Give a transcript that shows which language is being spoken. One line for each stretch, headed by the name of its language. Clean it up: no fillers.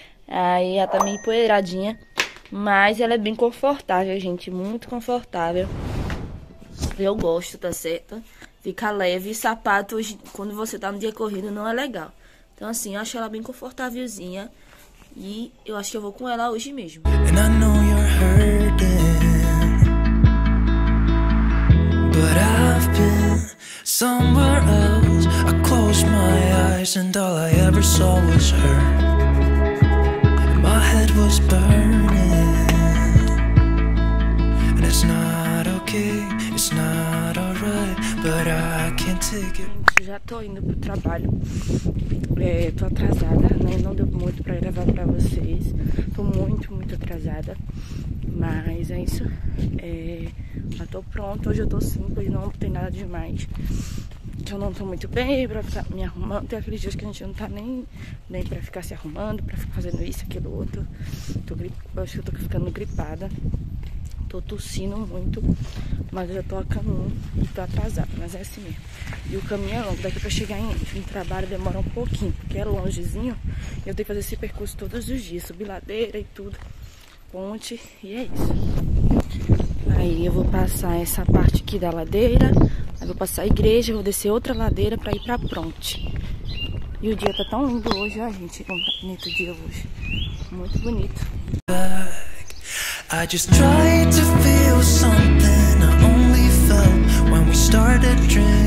Portuguese: Aí, ela tá meio empoeiradinha. Mas ela é bem confortável, gente, muito confortável. Eu gosto, tá certo? Fica leve, sapato hoje, quando você tá no dia corrido, não é legal. Então, assim, eu acho ela bem confortávelzinha. E eu acho que eu vou com ela hoje mesmo.
English: And I know you're hurting, but I've been somewhere else. I closed my eyes and all I ever saw was her. My head was burning. And it's not okay, it's not alright.
Portuguese: Gente, já tô indo pro trabalho. É, tô atrasada, né? Não deu muito pra gravar pra vocês. Tô muito, muito atrasada. Mas é isso. É, já tô pronta. Hoje eu tô simples, não tem nada demais. Eu não tô muito bem pra ficar me arrumando. Tem aqueles dias que a gente não tá nem pra ficar se arrumando, pra ficar fazendo isso, aquilo, outro. Acho que eu tô ficando gripada. Tô tossindo muito, mas eu já tô a caminho e tô atrasada, mas é assim mesmo. E o caminho é longo, daqui pra chegar em trabalho demora um pouquinho, porque é longezinho. Eu tenho que fazer esse percurso todos os dias, subir ladeira e tudo, ponte, e é isso. Aí eu vou passar essa parte aqui da ladeira. Aí vou passar a igreja, vou descer outra ladeira pra ir pra ponte. E o dia tá tão lindo hoje, ó, gente. Como tá bonito o dia hoje. Muito bonito.
English: I just tried to feel something I only felt when we started drinking.